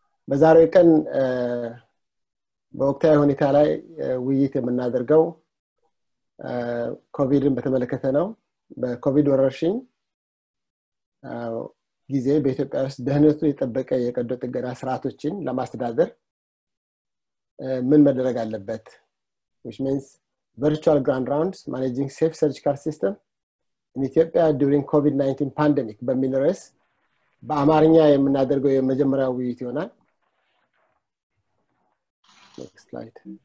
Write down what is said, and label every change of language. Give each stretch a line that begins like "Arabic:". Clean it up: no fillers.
Amharic: በዛሬው ቀን በወቅታዊ ሁኔታ ላይ ውይይት የምናደርገው ኮቪድን በተመለከተ ነው። በኮቪድ ወረርሽኝ ጊዜ በኢትዮጵያ ውስጥ ደህንነቱ የጠበቀ የቀዶ ጥገና ስርዓቶችን ለማስተዳደር ምን መደረግ አለበት?
English: Which means virtual grand rounds managing safe surgical system in Ethiopia during COVID-19 pandemic.
Amharic: በሚል ርዕስ በአማርኛ የምናደርገው የመጀመሪያው ውይይት ይሆናል።
English: Next slide.